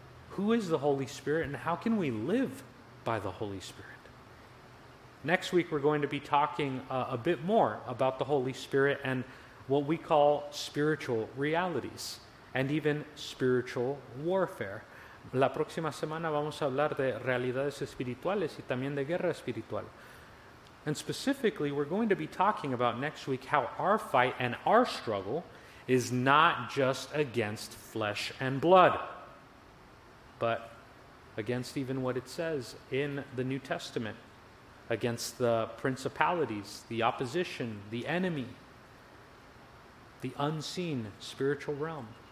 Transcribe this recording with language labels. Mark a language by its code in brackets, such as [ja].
[en] Who is the Holy Spirit and how can we live by the Holy Spirit? Next week we're going to be talking a bit more about the Holy Spirit and what we call spiritual realities and even spiritual warfare. [es] La próxima semana vamos a hablar de realidades espirituales y también de guerra espiritual. [en] And specifically, we're going to be talking about next week how our fight and our struggle is not just against flesh and blood, but against even what it says in the New Testament, against the principalities, the opposition, the enemy, the unseen spiritual realm.